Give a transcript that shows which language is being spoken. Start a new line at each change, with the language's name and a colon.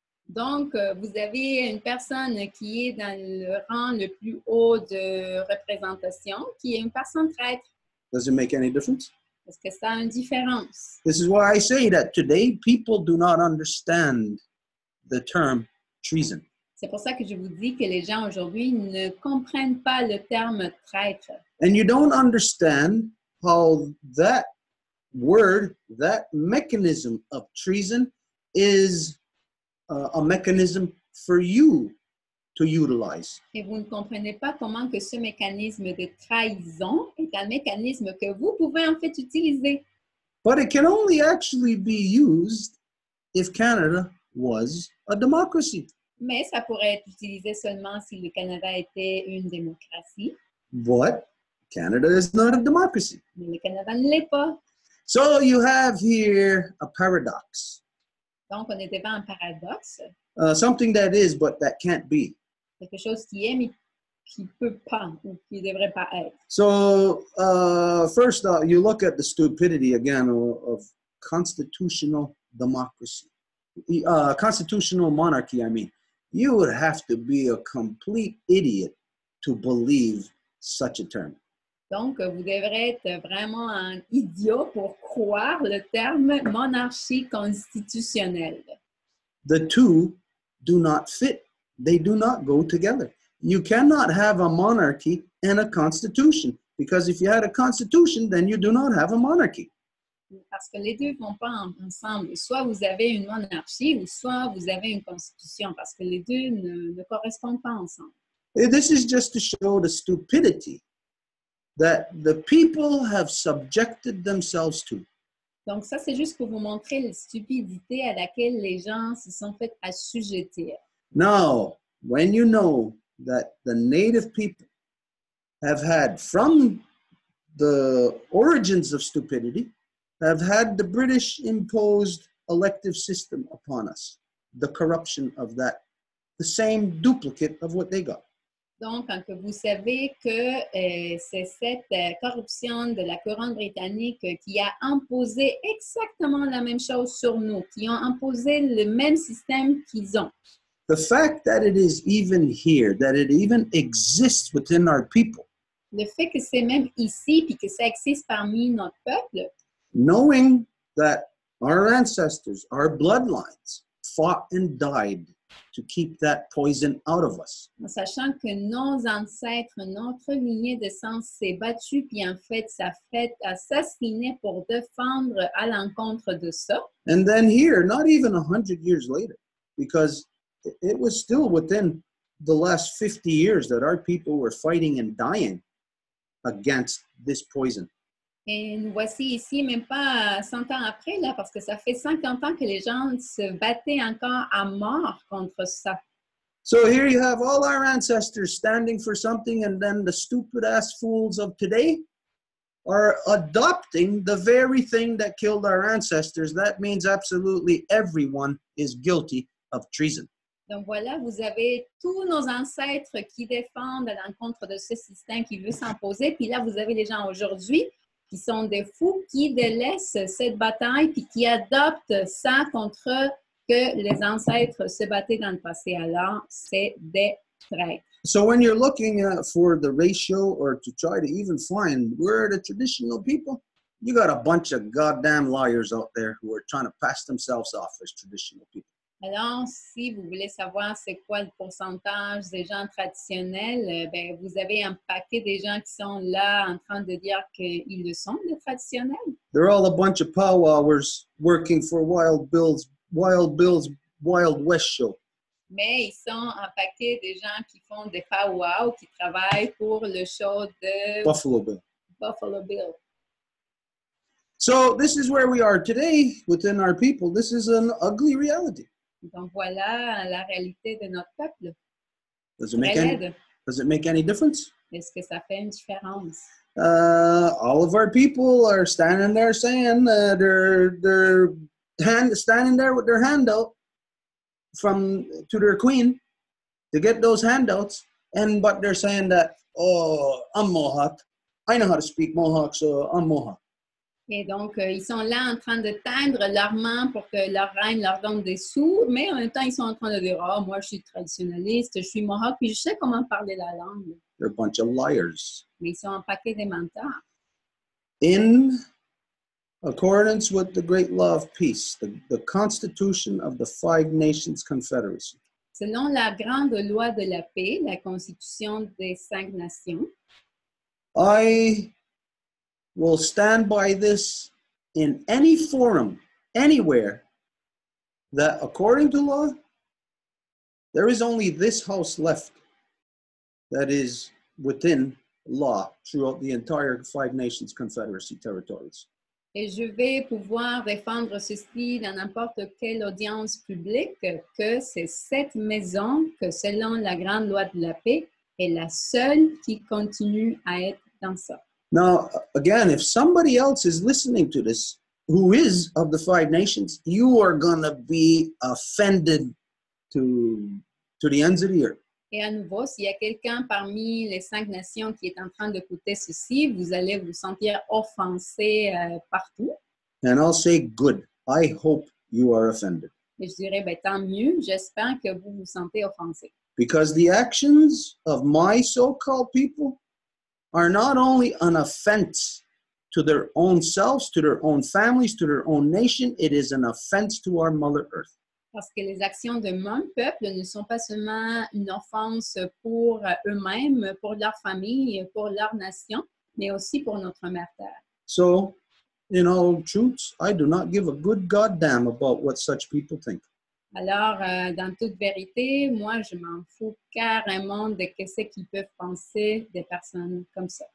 French: Donc, vous avez une personne qui est dans le rang le plus haut de représentation, qui est une personne traître.
English: Does it make any difference?
French: Est-ce que ça a une différence?
English: This is why I say that today people do not understand the term treason.
French: C'est pour ça que je vous dis que les gens aujourd'hui ne comprennent pas le terme traître.
English: And you don't understand how that word, that mechanism of treason is a mechanism for you to utilize.
French: Et vous ne comprenez pas comment que ce mécanisme de trahison est un mécanisme que vous pouvez en fait utiliser.
English: But it can only actually be used if Canada was a democracy.
French: Mais ça pourrait être utilisé seulement si le Canada était une démocratie.
English: But Canada is not a democracy.
French: Mais le Canada ne l'est pas.
English: So you have here a paradox.
French: Donc on est devant un paradoxe.
English: Something that is, but that can't be.
French: Quelque chose qui est, mais qui peut pas ou qui devrait pas être.
English: So, first off, you look at the stupidity again of constitutional democracy. Constitutional monarchy, I mean. You would have to be a complete idiot to believe such a term.
French: Donc, vous devrez être vraiment un idiot pour croire le terme monarchie constitutionnelle.
English: The two do not fit. They do not go together. You cannot have a monarchy and a constitution, because if you had a constitution, then you do not have a monarchy.
French: Parce que les deux ne vont pas ensemble. Soit vous avez une monarchie, ou soit vous avez une constitution, parce que les deux ne correspondent pas ensemble.
English: And this is just to show the stupidity that the people have subjected themselves to.
French: Donc ça, c'est juste pour vous montrer la stupidité à laquelle les gens se sont fait assujettir.
English: Now, when you know that the native people have had, from the origins of stupidity, have had the British imposed elective system upon us, the corruption of that, the same duplicate of what they got.
French: Donc, quand vous savez que c'est cette corruption de la couronne britannique qui a imposé exactement la même chose sur nous, qui ont imposé le même système qu'ils ont.
English: The fact that it is even here, that it even exists within our people.
French: Le fait que c'est même ici puis que ça existe parmi notre peuple.
English: Knowing that our ancestors, our bloodlines, fought and died to keep that poison out of us.
French: Sachant que nos ancêtres, notre lignée de sang s'est battue, puis en fait, ça fait assassiner pour défendre à l'encontre de ça.
English: And then here, not even 100 years later, because it was still within the last 50 years that our people were fighting and dying against this poison.
French: Et nous voici ici, même pas 100 ans après, là, parce que ça fait 50 ans que les gens se battaient encore à mort contre ça.
English: So here you have all our ancestors standing for something, and then the stupid-ass fools of today are adopting the very thing that killed our ancestors. That means absolutely everyone is guilty of treason.
French: Donc voilà, vous avez tous nos ancêtres qui défendent à l'encontre de ce système qui veut s'imposer, puis là, vous avez les gens aujourd'hui qui sont des fous, qui délaissent cette bataille puis qui adoptent ça contre eux, que les ancêtres se battaient dans le passé. Alors, c'est des traîtres.
English: So when you're looking for the ratio or to try to even find where the traditional people, you got a bunch of goddamn liars out there who are trying to pass themselves off as traditional people.
French: Alors, si vous voulez savoir c'est quoi le pourcentage des gens traditionnels, ben vous avez un paquet des gens qui sont là en train de dire qu'ils le sont, les traditionnels.
English: They're all a bunch of powwowers working for Wild Bill's Wild West show.
French: Mais ils sont un paquet des gens qui font des powwows, qui travaillent pour le show de Buffalo Bill.
English: So this is where we are today within our people. This is an ugly reality.
French: Donc voilà la réalité de notre peuple.
English: Does it make any difference?
French: Est-ce que ça fait une différence?
English: All of our people are standing there saying they're standing there with their handout from to their queen to get those handouts, but they're saying that, oh, I'm Mohawk. I know how to speak Mohawk, so I'm Mohawk.
French: Et donc, ils sont là en train de tendre leurs mains pour que leur reine leur donne des sous, mais en même temps, ils sont en train de dire, oh, moi, je suis traditionnaliste, je suis Mohawk, puis je sais comment parler la langue.
English: They're a bunch of liars.
French: Mais ils sont un paquet de menteurs.
English: In accordance with the great law of peace, the constitution of the Five Nations Confederacy.
French: Selon la grande loi de la paix, la constitution des cinq nations,
English: I will stand by this in any forum, anywhere, that according to law, there is only this house left that is within law throughout the entire Five Nations Confederacy territories.
French: Et je vais pouvoir défendre ceci dans n'importe quelle audience publique, que c'est cette maison que, selon la grande loi de la paix, est la seule qui continue à être dans ça.
English: Now, again, if somebody else is listening to this, who is of the Five Nations, you are going to be offended to the ends of the earth.
French: Et à nouveau, s'il y a quelqu'un parmi les cinq nations qui est en train d'écouter ceci, vous allez vous sentir offensé partout.
English: And I'll say, good. I hope you are offended.
French: Et je dirais, ben, tant mieux. J'espère que vous vous sentez offensé.
English: Because the actions of my so-called people are not only an offense to their own selves, to their own families, to their own nation, it is an offense to our Mother Earth.
French: Parce que les actions de mon peuple ne sont pas seulement une offense pour eux-mêmes, pour leur famille, pour leur nation, mais aussi pour notre mère terre.
English: So, in all truth, I do not give a good goddamn about what such people think.
French: Alors, dans toute vérité, moi, je m'en fous carrément de ce qu'ils peuvent penser des personnes comme ça.